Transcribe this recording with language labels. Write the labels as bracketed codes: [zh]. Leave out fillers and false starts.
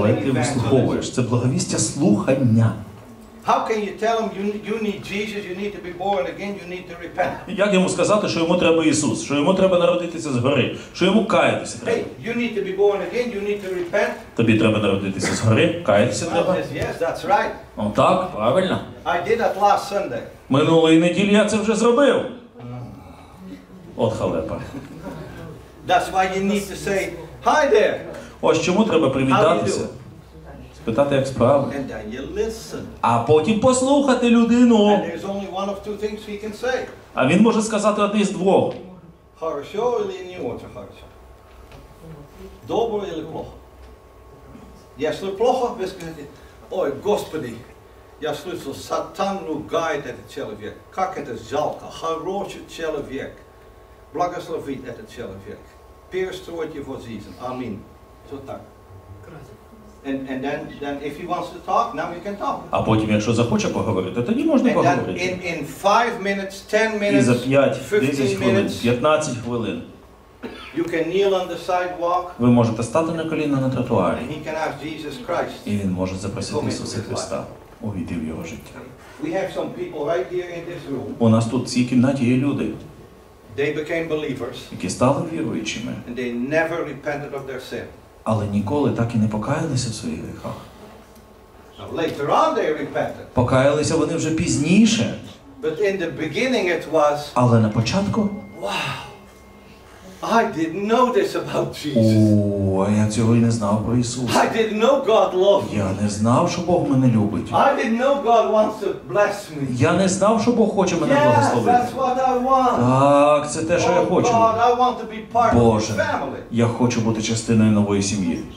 [uk] Але ти вислуховуєш, це благовістя слухання. [en] How can you tell him you need Jesus, you need to be born again, you need to repent? [uk] Як йому сказати, що йому треба Ісус, що йому треба народитися згори, що йому каятися треба? [en] Hey, you need to be born again, you need to repent. [uk] Тобі треба народитися згори, каятися треба. [en] Yes, that's right. [uk] Ну так, правильно. [en] I did that last Sunday. [uk] Минулої неділі я це вже зробив. От халепа. [en] That's why you need to say, hi there. [uk] Ось чому треба привітатися. Питати, як справи. [en] And then you listen. [uk] А потім послухати людину. [en] And there's only one of two things he can say. [uk] А він може сказати одне з двох. [ru] Хорошо или [uk] не дуже [ru] хорошо. [uk] Добре [ru] или плохо. [uk] Якщо [ru] плохо, [uk] ви скажете, ой, Господи, [ru] Я слышу, сатан ругает этот человек. Как это жалко. Хороший человек. Благословит этот человек. Перестроит его жизнь. Аминь. Все так. [en] And then if he wants to talk, now we can talk. [uk] А потім, якщо захоче поговорити, тоді можна поговорити. [en] In 5 minutes, 10 minutes, [uk] і за 5, 10 хвилин, 15 хвилин. [en] You can kneel on the sidewalk. [uk] Ви можете стати на коліна на тротуарі. [en] He can ask Jesus Christ. [uk] І він може запросити Ісуса Христа увійти в його життя. [en] We have some people right here in this room. [uk] У нас тут в цій кімнаті є люди. [en] They became believers. [uk] Які стали віруючими. [en] And they never repented of their sin. [uk] Але ніколи так і не покаялися в своїх гріхах. [en] Now, later on they repented. [uk] Покаялися вони вже пізніше. [en] But in the beginning it was. [uk] Але на початку. [en] Wow. I didn't know this about Jesus. [uk] О, я цього й не знав про Ісуса. [en] I didn't know God loved. [uk] Я не знав, що Бог мене любить. [en] I didn't know God wants to bless me. [uk] Я не знав, що Бог хоче мене благословити. [en] Yes, that's what I want. [uk] Так, це те, що я хочу. [en] God, I want to be part [uk] Боже, [en] of your family. [uk] Я хочу бути частиною нової сім'ї.